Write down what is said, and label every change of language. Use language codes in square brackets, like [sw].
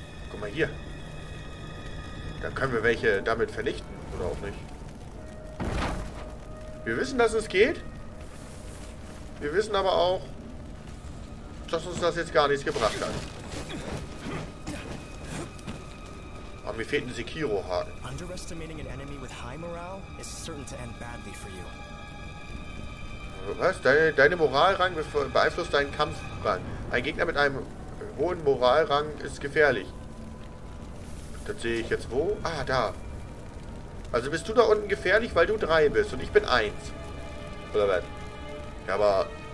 [de] Guck mal hier. Dann können wir welche damit vernichten, oder auch nicht. Wir wissen, dass es geht. Wir wissen aber auch, dass uns das jetzt gar nichts gebracht hat. Aber mir fehlt ein Sekiro-Haken. [en] Underestimating an enemy with high morale is certain to end badly for you. [de] Was? Deine Moralrang beeinflusst deinen Kampfrang. Ein Gegner mit einem hohen Moralrang ist gefährlich. Das sehe ich jetzt wo? Ah, da. Also bist du da unten gefährlich, weil du 3 bist und ich bin 1. Oder was? Ja, aber...